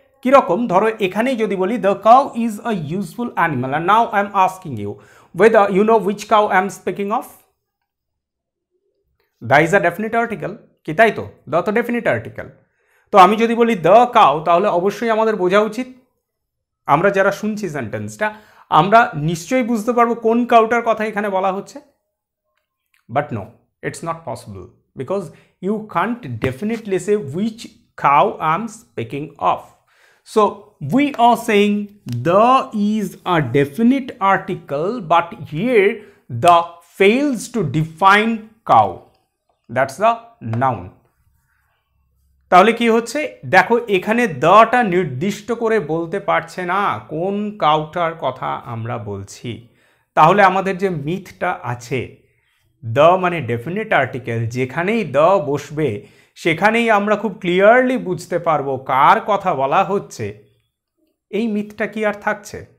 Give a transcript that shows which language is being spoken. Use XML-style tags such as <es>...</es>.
<bn>কিরকম ধরো এখানেই যদি বলি</bn> <en>the cow is a useful animal, আর now I am asking you whether you know which cow I am speaking of, the is a definite article</en> <bn>কি, তাই তো? The তো ডেফিনিট আর্টিকেল। তো আমি যদি বলি দ্য কাউ তাহলে অবশ্যই আমাদের বোঝা উচিত, আমরা যারা শুনছি সেন্টেন্সটা আমরা নিশ্চয়ই বুঝতে পারবো কোন কাউটার কথা এখানে বলা হচ্ছে।</bn> <en>But no, it's not possible, because you can't definitely say which cow I'm speaking of. So we are saying the is a definite article, but here the fails to define cow, that's the noun.</en> <bn>তাহলে কি হচ্ছে দেখো, এখানে দ্যটা নির্দিষ্ট করে বলতে পারছে না কোন কাউটার কথা আমরা বলছি। তাহলে আমাদের যে মিথটা আছে, দ মানে ডেফিনিট আর্টিকেল, যেখানেই দ বসবে সেখানেই আমরা খুব ক্লিয়ারলি বুঝতে পারবো কার কথা বলা হচ্ছে, এই মিথটা কি আর থাকছে?</bn>